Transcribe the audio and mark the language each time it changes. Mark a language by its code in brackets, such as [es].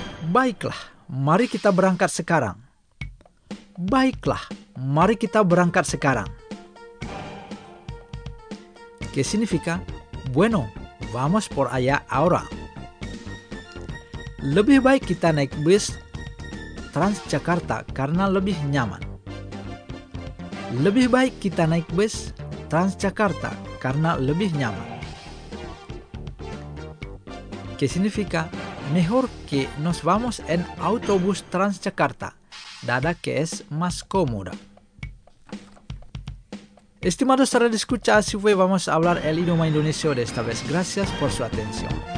[id] Baiklah, mari kita berangkat sekarang. Baiklah, mari kita berangkat sekarang. [es] ¿Qué significa? Bueno, vamos por allá ahora. [id] Lebih baik kita naik bus Transjakarta karena lebih nyaman. Lebih baik kita naik bus Transjakarta karena lebih nyaman. [es] ¿Qué significa? Mejor que nos vamos en autobús Transjakarta, dada que es más cómoda. Estimados radioescuchas, así fue vamos a hablar el idioma indonesio de esta vez. Gracias por su atención.